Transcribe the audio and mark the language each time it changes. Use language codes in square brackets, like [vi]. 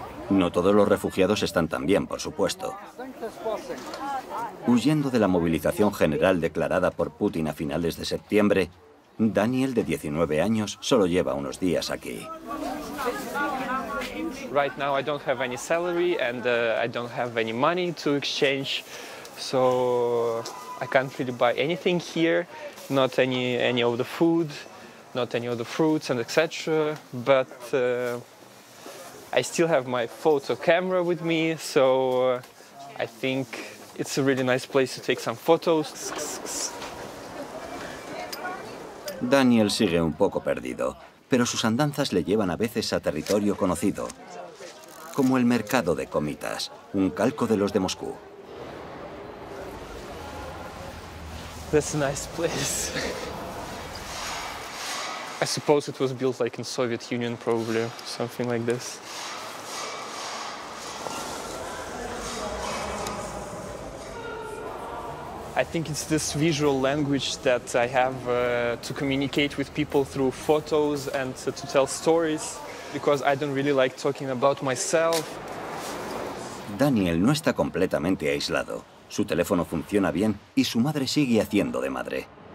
[es] No todos los refugiados están tan bien, por supuesto. Huyendo de la movilización general declarada por Putin a finales de septiembre, Daniel, de 19 años, solo lleva unos días aquí. [en] Right now I don't have any salary and I don't have any money to exchange, so I can't really buy anything here, not any of the food, not any of the fruits and etc. But I still have my photo camera with me, so I think it's a really nice place to take some photos. [es] Daniel sigue un poco perdido, pero sus andanzas le llevan a veces a territorio conocido, como el mercado de Comitas, un calco de los de Moscú. [en] That's a nice place. I suppose it was built like in Soviet Union, probably, something like this. I think it's this visual language that I have to communicate with people through photos and to tell stories, because I don't really like talking about myself. [es] Daniel no está completamente aislado. Su teléfono funciona bien y su madre sigue haciendo de madre.